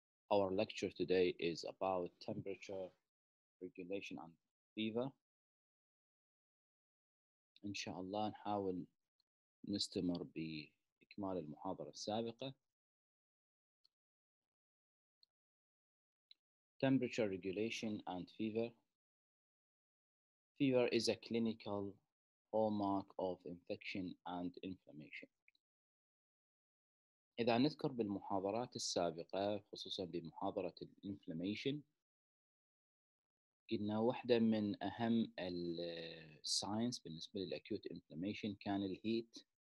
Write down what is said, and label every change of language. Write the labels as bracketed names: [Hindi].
[English] Our lecture today is about temperature regulation and fever. [Arabic] Inshallah, نحاول نستمر بإكمال المحاضرة السابقة. [English] Temperature regulation and fever. Fever is a clinical hallmark of infection and inflammation. [Arabic] إذا نذكر بالمحاضرات السابقة خصوصا بمحاضرة الـ inflammation قلنا واحدة من أهم الـ signs بالنسبة للـ acute inflammation كان الـ heat